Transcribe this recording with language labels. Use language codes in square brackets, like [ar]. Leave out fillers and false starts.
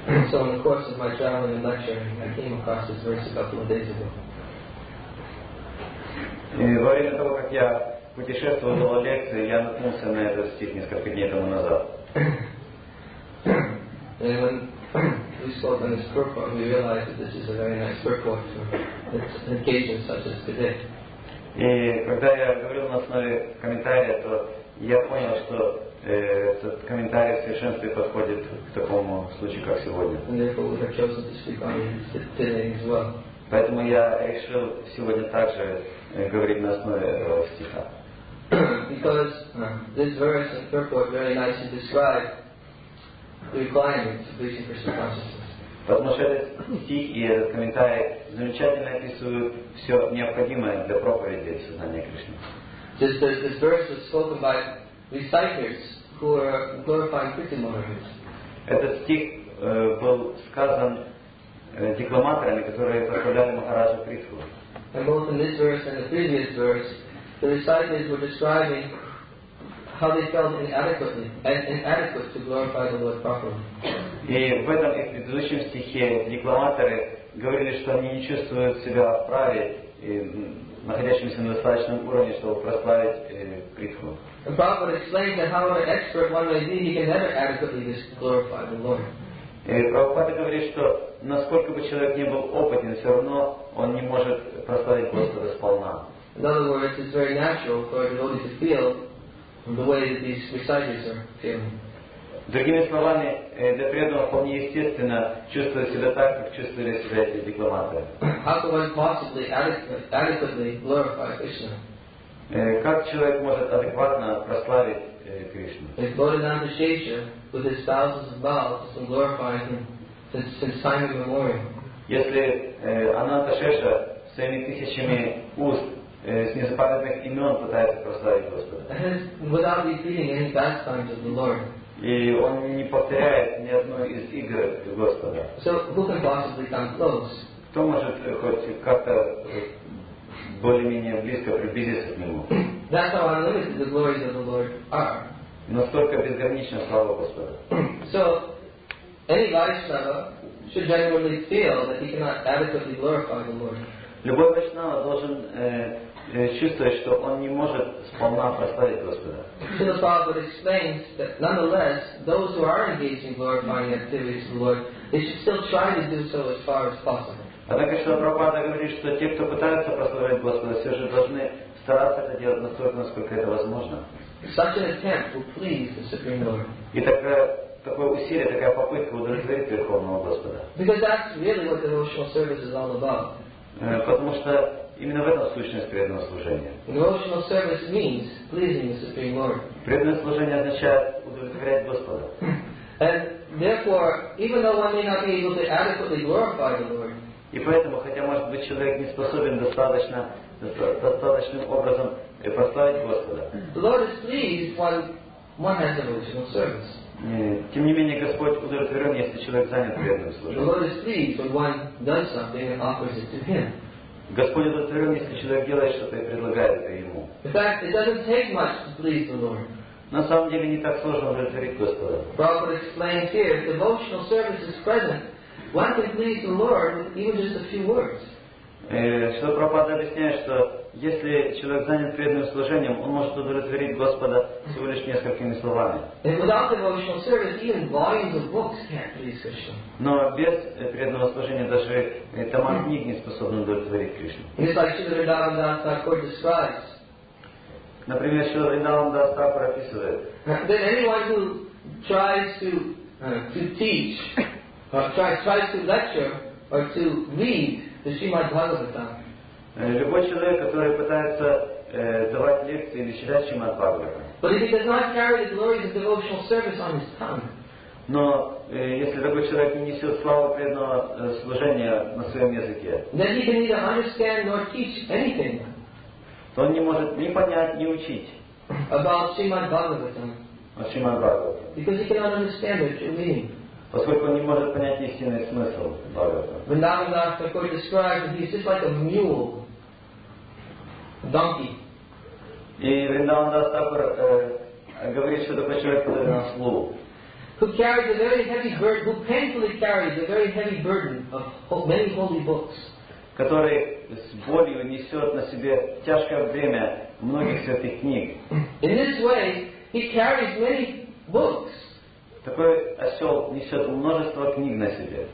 [en] So in the course of my traveling and lecturing, I came across this verse a couple of days ago. [ru] И во время того, как я путешествовал, делал лекции, я наткнулся на этот стих несколько дней тому назад. [en] And when we spoke on this purport, we realized that this is a very nice purport for an occasion such as today. [ru] И когда я говорил на основе комментария, то я понял, что этот комментарий в совершенстве подходит к такому случаю, как сегодня. [en] And therefore we have chosen to speak on it today as well. [ru] Поэтому я решил сегодня также говорить на основе этого стиха. [en] Because this verse and purport very nicely describe the requirements of Krishna consciousness. [ru] Потому что этот стих и этот комментарий замечательно описывают все необходимое для проповеди сознания Кришны. [en] This verse was spoken by reciters who are glorifying Krishna. [ru] Этот стих был сказан декламаторами, которые прославляли Махараджу Кришну. [en] And both in this verse and the previous verse, the disciples were describing how they felt inadequately, inadequate to glorify the Lord properly. [ru] И в этом предыдущем стихе декламаторы говорили, что они не чувствуют себя вправе, находящимся на достаточном уровне, чтобы прославить Кришну. [en] The Prabhupada explained that however expert one may be, he can never adequately glorify the Lord. [ru] И Прабхупада говорит, что насколько бы человек ни был опытен, все равно он не может прославить Господа сполна. [en] In other words, it's very natural for a devotee to feel the way that these recitals are feeling. [ru] Другими словами, для преданного вполне естественно чувствовать себя так, как чувствовали себя эти декламаты. [en] How can one possibly adequately glorify Krishna? [ru] Как человек может адекватно прославить Кришну? [en] If Bodhidharma Shesha, with his thousands of vows, and glorifying him since time immemorial. [ru] Если Ананта Шеша своими тысячами уст с незапамятных имен пытается прославить Господа. [en] Without repeating any pastimes of the Lord. [ru] И он не повторяет ни одной из игр Господа. [en] So who can possibly come close? [ru] Кто может хоть как-то более-менее близко приблизиться к нему? [en] That's how unlimited the glories of the Lord are. [ru] Настолько безгранична слава Господа. [en] So any Vaishnava should genuinely feel that he cannot adequately glorify the Lord. [ru] Любой Вайшнава должен чувствовать, что он не может сполна прославить Господа. [en] So the Prabhupada explains that nonetheless, those who are engaged in glorifying activities of the Lord, they should still try to do so as far as possible. [ru] Однако Шрила Прабхупада говорит, что те, кто пытаются прославлять Господа, все же должны стараться это делать настолько, насколько это возможно. [en] Such an attempt will please the Supreme Lord. [ru] И такое усилие, такая попытка удовлетворить Верховного Господа. [en] Because that's really what devotional service is all about. [ru] Потому что именно в этом сущность преданного служения. [en] Devotional service means pleasing the Supreme Lord. [ru] Преданное служение означает удовлетворять Господа. [en] And therefore, even though one may not be able to adequately glorify the Lord, [ru] и поэтому, хотя, может быть, человек не способен достаточным образом прославить Господа, [en] Lord is pleased when one has devotional service. [ru] Тем не менее, Господь удовлетворен, если человек занят преданным служением. [en] The Lord is pleased when one does something and offers it to him. [ru] Господь удовлетворен, если человек делает что-то и предлагает это ему. [en] In fact, it doesn't take much to please the Lord. [ru] На самом деле, не так сложно удовлетворить Господа. [en] Prabhupada explains here, if devotional service is present, one can please the Lord with even just a few words. [ru] Шрила Прабхупада объясняет, что если человек занят преданным служением, он может удовлетворить Господа всего лишь несколькими словами. [en] And without devotional service, even volumes of books can't please Krishna. [ru] Но без преданного служения даже тома книг не способны удовлетворить Кришну. [en] It's like Шрила Вриндаван Дас Тхакур describes. [ru] Например, Шрила Вриндаван Дас Тхакур описывает. [en] That anyone who tries to teach or tries to lecture or to read the Srimad Bhagavatam. [ru] Любой человек, который пытается давать лекции или читать Шримад Бхагаватам. [en] But if he does not carry the glories of devotional service on his tongue. [ru] Но если такой человек не несет славу преданного служения на своем языке. [en] Then he can neither understand nor teach anything. [ru] То он не может ни понять, ни учить. [en] About Srimad Bhagavatam. [ru] О Шримад Бхагаватам. [en] Because he cannot understand their true meaning. [ru] Поскольку он не может понять истинный смысл Бхагаватам. [en] Vrindavan Das Thakur describes that he's just like a mule. Donkey. [ru] И Vrindavan Das Thakur говорит, что такой человек на слову. [en] Who carried a very heavy burden, who painfully carried a very heavy burden of many holy books. [ru] Который с болью несет на себе тяжкое бремя многих святых книг. [en] In this way, he carries many books. [ru] Такой осел несет множество книг на себе.